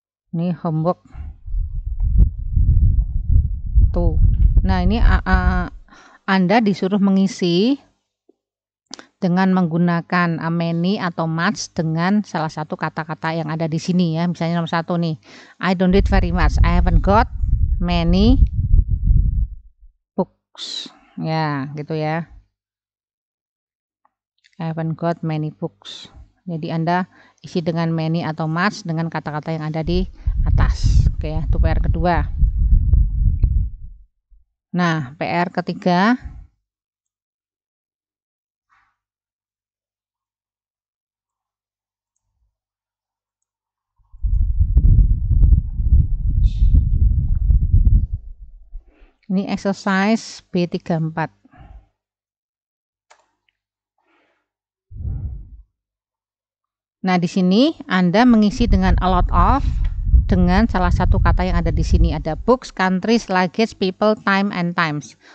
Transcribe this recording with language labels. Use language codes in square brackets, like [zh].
[id] Ini homework. Tuh. Nah, ini Anda disuruh mengisi dengan menggunakan many atau much dengan salah satu kata-kata yang ada di sini ya. Misalnya nomor 1 nih. [en] I don't read very much. I haven't got many books. [id] Ya, gitu ya. [en] I haven't got many books. [id] Jadi Anda isi dengan many atau much dengan kata-kata yang ada di atas. Oke ya, itu PR kedua. Nah, PR ketiga. Ini exercise B34. Nah, di sini Anda mengisi dengan a lot of dengan salah satu kata yang ada di sini. Ada books, countries, luggage, people, time, and times.